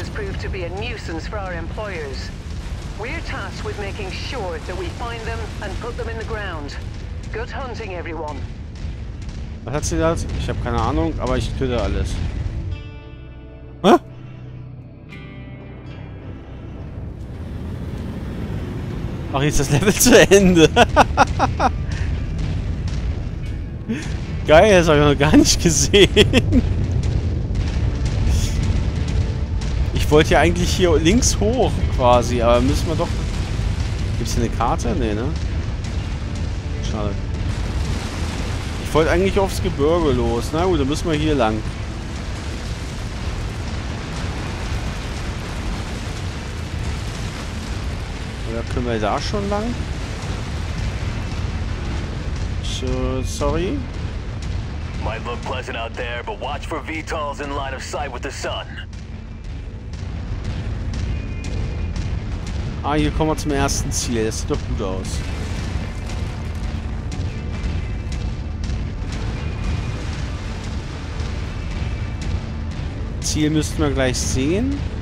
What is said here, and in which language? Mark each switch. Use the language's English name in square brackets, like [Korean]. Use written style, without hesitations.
[English] This group has proved to be a nuisance for our employers. We're tasked with making sure that we find them and put them in the ground. Good hunting, everyone. [German] Was hat sie da? Ich habe keine Ahnung, aber ich töte alles. Ach, jetzt ist das Level zu Ende. Geil, das habe ich noch gar nicht gesehen. Ich wollte ja eigentlich hier links hoch quasi, aber müssen wir doch... Gibt es hier eine Karte? Nee, ne? Schade. Ich wollte eigentlich aufs Gebirge los. Na gut, dann müssen wir hier lang. Oder können wir da schon lang? So, sorry. [English] Might look pleasant out there, but watch for VTOLs in line of sight with the sun. [German] Ah, hier kommen wir zum ersten Ziel. Das sieht doch gut aus. Ziel müssten wir gleich sehen.